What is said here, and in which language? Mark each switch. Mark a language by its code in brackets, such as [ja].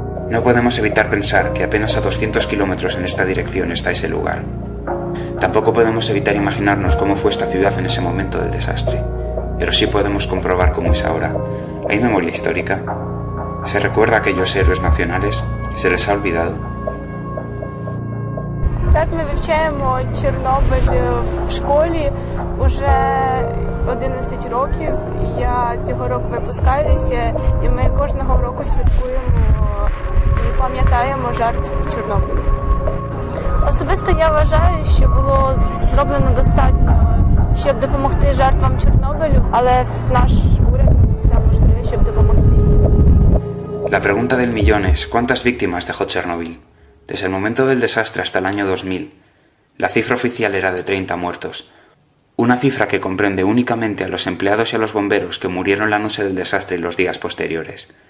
[es] No podemos evitar pensar que apenas a 200 kilómetros en esta dirección está ese lugar. Tampoco podemos evitar imaginarnos cómo fue esta ciudad en ese momento del desastre. Pero sí podemos comprobar cómo es ahora. ¿Hay memoria histórica? ¿Se recuerda a aquellos héroes nacionales? ¿Se les ha olvidado? [uk] Так ми вивчаємо Чорнобиль в школі уже 11 років. Я цього року випускаюся, і ми кожного року святкуємо і пам'ятаємо жертв Чорнобилю. Особисто я вважаю, що було зроблено достатньо, щоб допомогти жертвам Чорнобилю, але наш уряд все можливе, щоб допомогти. [es] La pregunta del millón es: ¿cuántas víctimas dejó Chernobyl? Desde el momento del desastre hasta el año 2000, la cifra oficial era de 30 muertos. Una cifra que comprende únicamente a los empleados y a los bomberos que murieron la noche del desastre y los días posteriores.